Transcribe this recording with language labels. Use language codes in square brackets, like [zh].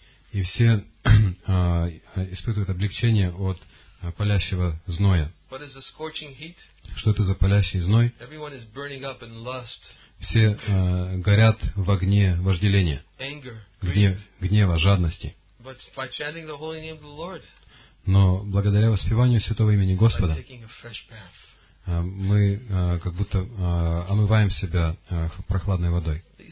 [ru] И все испытывают облегчение от палящего зноя. [en] What is the scorching heat? [ru] Что это за палящий зной? [en] Everyone is burning up in lust. [ru] Все горят в огне вожделения. [en] Anger, [ru] гнева, жадности. [en] But by chanting the holy name of the Lord, [ru] но благодаря воспеванию святого имени Господа мы как будто омываем себя прохладной водой.